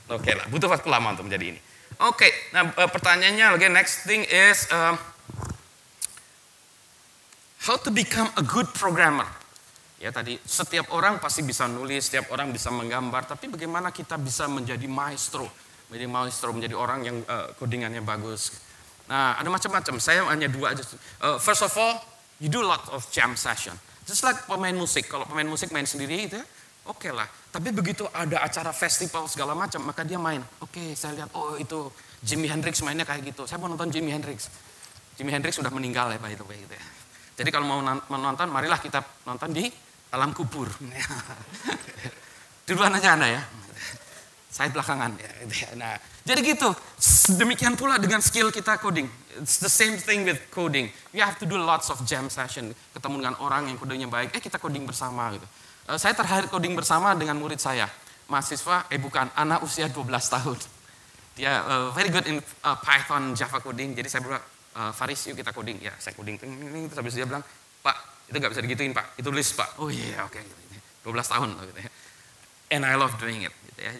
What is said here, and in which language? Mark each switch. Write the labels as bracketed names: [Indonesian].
[Indonesian] Oke lah, butuh waktu lama untuk menjadi ini. Oke, okay, nah pertanyaannya lagi, [English] next thing is how to become a good programmer. [Indonesian] Ya tadi, setiap orang pasti bisa nulis, setiap orang bisa menggambar, tapi bagaimana kita bisa menjadi maestro, menjadi maestro, menjadi orang yang codingannya bagus. Nah, ada macam-macam, saya hanya dua aja. [English] First of all, you do a lot of jam session. [Indonesian] Just like pemain musik, kalau pemain musik main sendiri itu ya, oke lah, tapi begitu ada acara festival segala macam, maka dia main. Oke, saya lihat, oh itu Jimi Hendrix mainnya kayak gitu. Saya mau nonton Jimi Hendrix. Jimi Hendrix sudah meninggal ya, [English] by the way. [Indonesian] Gitu ya. Jadi kalau mau menonton, marilah kita nonton di alam kubur. Duluan aja Anda ya. Saya belakangan. Nah, jadi gitu, demikian pula dengan skill kita coding. [English] It's the same thing with coding. You have to do lots of jam session. [Indonesian] Ketemu dengan orang yang kodenya baik, kita coding bersama gitu. Saya terakhir coding bersama dengan murid saya, mahasiswa, bukan, anak usia 12 tahun. Dia [English] very good in [Indonesian] Python, Java coding, jadi saya bilang, Faris, yuk kita coding. Ya, saya coding, terus habis dia bilang, Pak, itu gak bisa digituin, Pak, itu list, Pak. Oh iya, yeah, oke, okay. 12 tahun. Gitu ya. [English] And I love doing it. [Indonesian] Gitu ya.